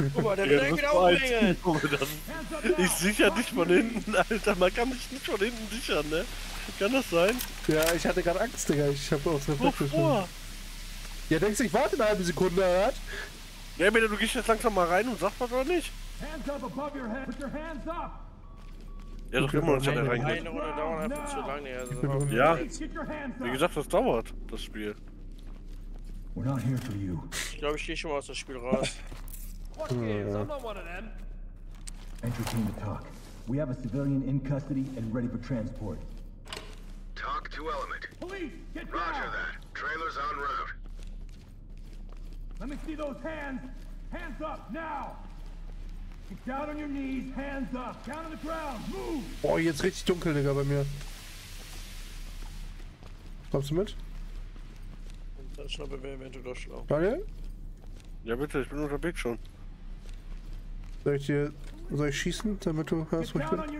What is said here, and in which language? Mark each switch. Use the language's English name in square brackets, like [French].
[German] Guck mal, der will genau umbringen! Ich sicher dich von hinten, Alter! Man kann mich nicht von hinten sichern, ne? Kann das sein? Ja, ich hatte gerade Angst, Digga. Ich hab auch so eine Flucht geschmissen. Ja, denkst du, ich warte eine halbe Sekunde, Alter? Ja, bitte, du gehst jetzt langsam mal rein und sagst was oder nicht? [English] Hands up above your head! Put your hands up! [German] Ja, doch, immer noch der reingeht. Eine Runde dauert einfach zu lang, ja. Wie gesagt, das dauert, das Spiel. [English] We're not here for you. [German] Ich glaube, ich gehe schon mal aus dem Spiel raus. [English] Entry team to talk. We have a civilian in custody and ready for transport. Talk to element. Police, get down. Roger that. Trailer's on route. Let me see those hands. Hands up now. Get down on your knees, hands up. Down on the ground. Move. [German] Oh, jetzt richtig dunkel, Digga, bei mir. Kommst du mit? Das ist noch eventuell doch schlau. Daniel? Ja bitte, ich bin unterwegs schon. Soll ich dir... Soll ich schießen, damit du hörst, wo ich bin?